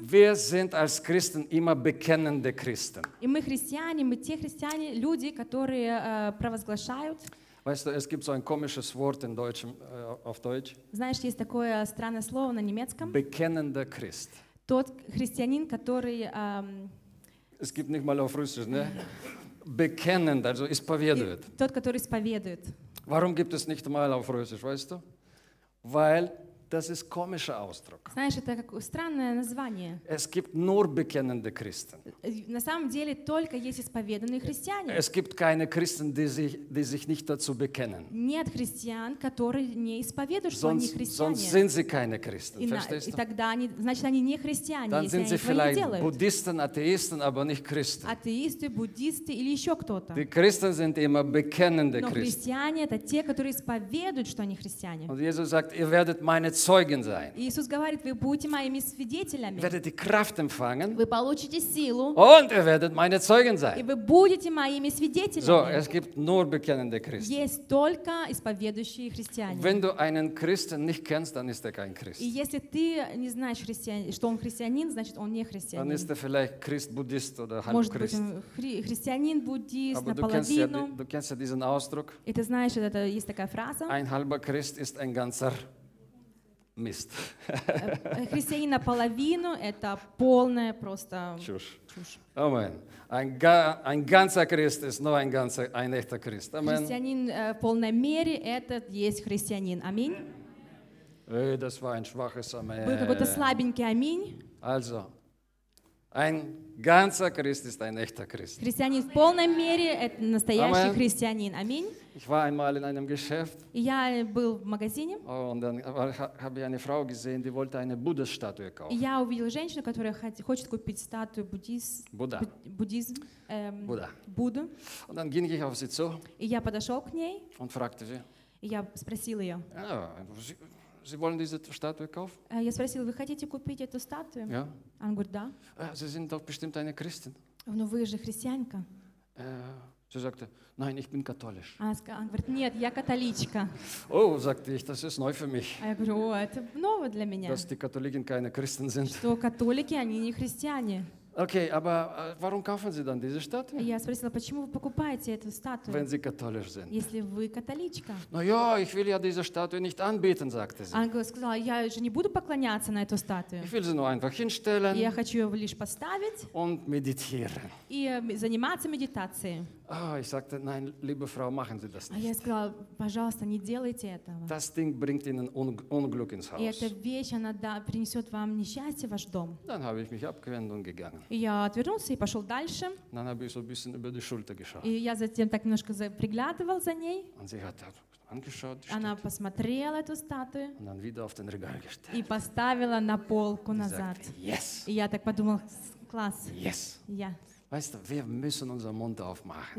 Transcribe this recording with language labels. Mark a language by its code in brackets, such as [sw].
[de] Wir sind als Christen immer bekennende Christen. [ru] И мы христиане, мы те христиане, люди, которые провозглашают. [de] Weißt du, es gibt so ein komisches Wort in Deutschem, auf Deutsch. [ru] Знаешь, есть такое странное слово на немецком. [de] Bekennender Christ. [ru] Тот христианин, который... [de] Es gibt nicht mal auf Russisch, ne? Bekennend, also исповедует. [ru] Тот, который исповедует. [de] Warum gibt es nicht mal auf Russisch, weißt du? Weil das ist komischer Ausdruck. [ru] Знаешь, это как странное название. [de] Es gibt nur bekennende Christen. [ru] На самом деле только есть исповеданные христиане. [de] Es gibt keine Christen, die sich nicht dazu bekennen. [ru] Нет христиан, которые не исповедуют, что они христиане. [de] Sonst sind sie keine Christen. [ru] И тогда они, значит, они не христиане. [de] Dann sind sie vielleicht Buddhisten, Atheisten, aber nicht Christen. [ru] Атеисты, буддисты или еще кто-то. [de] Die Christen sind immer bekennende Christen. [ru] Но христиане это те, которые исповедуют, что они христиане. [de] Und Jesus sagt, ihr werdet meine Zeugen sein. [ru] Иисус говорит, вы будете моими свидетелями. [de] Werdet die Kraft empfangen. [ru] Вы получите силу. [de] Und ihr werdet meine Zeugen sein. [ru] И вы будете моими свидетелями. [de] So, es gibt nur bekennende Christen. [ru] Есть только исповедующие христиане. [de] Wenn du einen Christen nicht kennst, dann ist er kein Christ. [ru] И если ты не знаешь, что он христианин, значит он не христианин. [de] Dann ist er vielleicht Christ-Buddhist oder halb-Christ. [ru] Может быть, христианин-буддист, наполовину. [de] Du kennst ja diesen Ausdruck. [ru] И ты знаешь, это есть такая фраза. [de] Ein halber Christ ist ein ganzer Mist. [ru] Христианин наполовину – это полная просто чушь. [de] Amen. Ein ganzer Christ ist nur ein echter Christ. Amen. [ru] Христианин в полной мере – это есть христианин. Аминь. [de] Эй, das war ein schwaches Amen. [ru] Был какой-то слабенький аминь. [de] Also, ein ganzer Christ ist ein echter Christ. [ru] Христианин в полной мере – это настоящий Amen. Христианин. Аминь. [de] Ich war einmal in einem Geschäft. [ru] Я был в магазине. [de] Und dann habe ich eine Frau gesehen, die wollte eine Buddha-Statue kaufen. [ru] Я увидел женщину, которая хочет купить статую Будду. [de] Und dann ging ich auf sie zu. [ru] И я подошел к ней. [de] Und fragte sie. [ru] И я спросил ее. [de] Sie wollen diese Statue kaufen? [ru] Я спросил, вы хотите купить эту статую? [de] Ja. [ru] Она говорит, да. [de] Sie sind doch bestimmt eine Christin. [ru] Но вы же христианка. [de] Sie sagte, nein, ich bin katholisch. [ru] Она говорит, нет, я католичка. [de] Oh, sagte ich, das ist neu für mich. [ru] Я говорю, о, это ново для меня. [de] Dass die Katholiken keine Christen sind. [ru] Что католики, они не христиане. [de] Okay, aber warum kaufen Sie dann diese Statue? [ru] Я спросила, почему вы покупаете эту статую? [de] Wenn Sie katholisch sind. [ru] Если вы католичка. [de] No, ja, ich will ja diese Statue nicht anbeten, sagte sie. [ru] Она сказала, я же не буду поклоняться на эту статую. [de] Ich will sie nur einfach hinstellen. [ru] Я хочу ее лишь поставить. [de] Und meditieren. [ru] И заниматься медитацией. [de] Oh, ich sagte, nein, liebe Frau, machen Sie das nicht. [ru] Я сказала, пожалуйста, не делайте этого. [de] Das Ding bringt Ihnen Unglück ins Haus. [ru] И эта вещь, она принесет вам несчастье в ваш дом. [de] Dann habe ich mich abgewendet und gegangen. [ru] Я отвернулся и пошел дальше. [de] Dann habe ich so ein bisschen über die Schulter geschaut. [ru] И я затем так немножко приглядывал за ней. [de] Und sie hat angeschaut, [ru] она statt. Посмотрела эту статую [de] und dann wieder auf den Regal gestellt. [ru] И поставила на полку назад. [en] Yes. [ru] И я так подумал, класс. [en] Yes. Yeah. [de] Weißt du, wir müssen unseren Mund aufmachen.